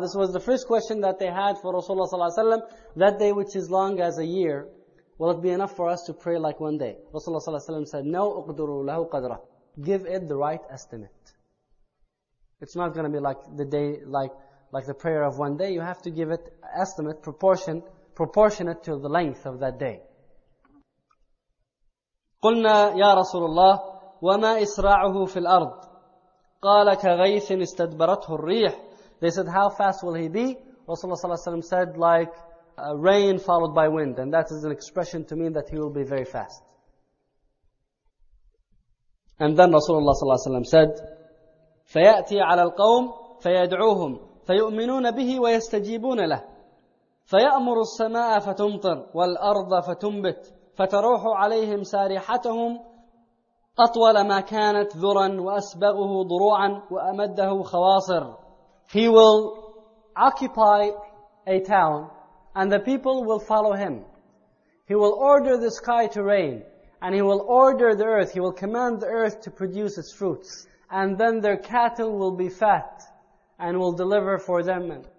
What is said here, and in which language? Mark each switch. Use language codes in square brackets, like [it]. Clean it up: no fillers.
[en] This was the first question that they had for Rasulullah [ar] صلى الله عليه وسلم. [en] That day which is long as a year, will it be enough for us to pray like one day? Rasulullah [ar] صلى الله عليه وسلم [en] said, no, [ar] أقدروا له قدرة. [en] Give it the right estimate. It's not going to be like the day, like the prayer of one day. You have to give it estimate, proportionate to the length of that day. [ar] قلنا يا رسول الله وما إسراعه في الأرض قال كغيث استدبرته الريح. [en] They said, how fast will he be? Rasulullah [ar] صلى الله عليه وسلم [en] said, like rain followed by wind. And that is an expression to mean that he will be very fast. And then Rasulullah [ar] صلى الله عليه وسلم said, فيأتي على القوم فيدعوهم فيؤمنون به ويستجيبون له فيأمر السماء فتمطر والأرض فتنبت فتروح عليهم سارحتهم أطول ما كانت ذرا وأسبغه ضروعا وأمده خواصر. [en] He will occupy a town and the people will follow him. He will order the sky to rain and he will order the earth. He will command the earth to produce its fruits. And then their cattle will be fat and will deliver for them.